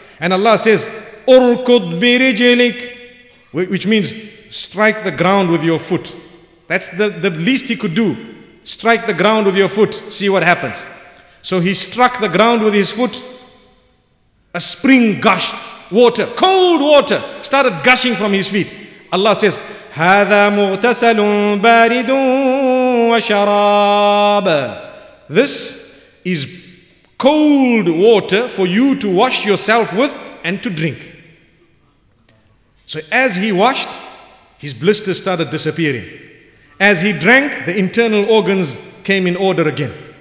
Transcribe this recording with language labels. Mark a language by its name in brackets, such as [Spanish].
[English] And Allah says, Urkud birijilik, which means strike the ground with your foot. That's the least he could do. Strike the ground with your foot, see what happens. So he struck the ground with his foot. A spring gushed, water, cold water, started gushing from his feet. Allah says, [Arabic] هَذَا مُغْتَسَلٌ بَارِدٌ وَشَرَابٌ. [English] This is cold water for you to wash yourself with and to drink. So as he washed, his blisters started disappearing. As he drank, the internal organs came in order again.